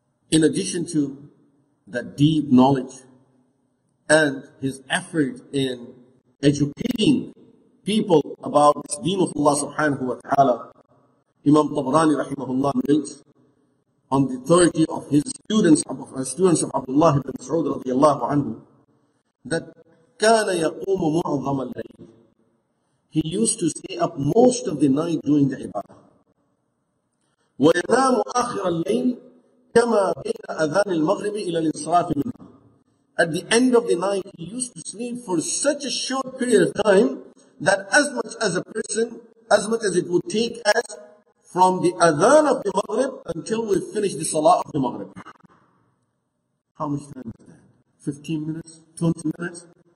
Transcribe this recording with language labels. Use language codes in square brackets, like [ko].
[en] In addition to that deep knowledge and his effort in educating people about the deen of Allah subhanahu wa ta'ala, Imam Tabrani rahimahullah notes on the authority of his students of Abdullah ibn Mas'ud radiallahu anhu, that [ar] كان يقوم معظم الليل. [en] He used to stay up most of the night doing the ibadah. [ar] وينام آخر الليل كما بين أذان المغرب إلى الانصراف منها. [en] At the end of the night, he used to sleep for such a short period of time that as much as it would take us from the adhan of the maghrib until we finish the salah of the maghrib. How much time is that? 15 minutes? 20 minutes?